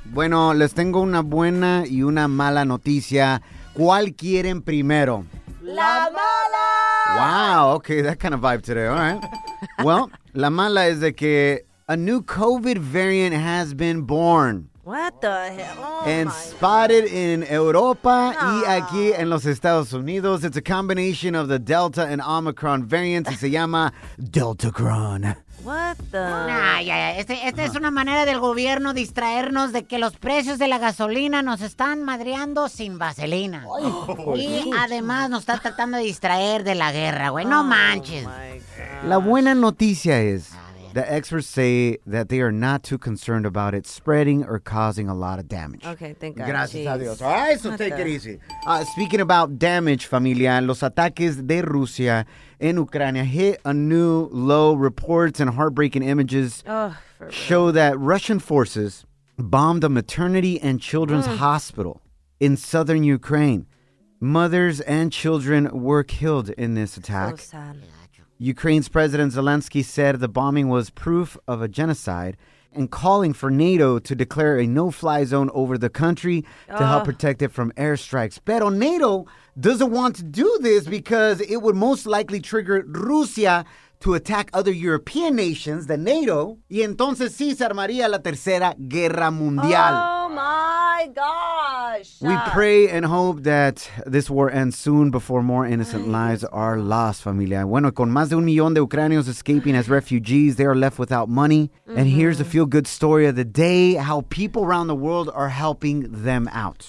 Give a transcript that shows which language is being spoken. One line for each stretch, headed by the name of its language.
Spanish: Bueno, les tengo una buena y una mala noticia. ¿Cuál quieren primero? La mala!
English: Wow, okay, that kind of vibe today, all right. Well,
Spanish: la mala es de que
English: a new COVID variant has been born. What the hell? Oh, and spotted God.
Spanish: In Europa y aquí en los Estados Unidos.
English: It's a combination of the Delta and Omicron variants.
Spanish: Y se llama Deltacron.
English: What the? Nah, yeah.
Spanish: Este es una manera del gobierno distraernos de que los precios de la gasolina nos están madreando sin vaselina. Y además nos está tratando de distraer de la guerra, güey. No manches. La buena noticia es,
English: the experts say that they are not too concerned about it spreading or causing a lot of damage. Okay, thank God.
Spanish: Gracias a Dios.
English: All right, so take it easy. Speaking about damage, familia,
Spanish: los ataques de Rusia en Ucrania
English: hit a new low. Reports and heartbreaking images show that Russian forces bombed a maternity and children's hospital in southern Ukraine. Mothers and children were killed in this attack. So sad. Ukraine's President Zelensky said the bombing was proof of a genocide and calling for NATO to declare a no-fly zone over the country to help protect it from airstrikes. Pero NATO doesn't want to do this because it would most likely trigger Rusia to attack other European nations than NATO.
Spanish: Y entonces sí se armaría la tercera guerra mundial.
English: Oh my gosh. We pray and hope that this war ends soon before more innocent lives are lost, familia.
Spanish: Bueno, con más de
English: 1 million
Spanish: de ucranianos
English: escaping as refugees, they are left without money. Mm-hmm. And here's a feel-good story of the day, how people around the world are helping them out.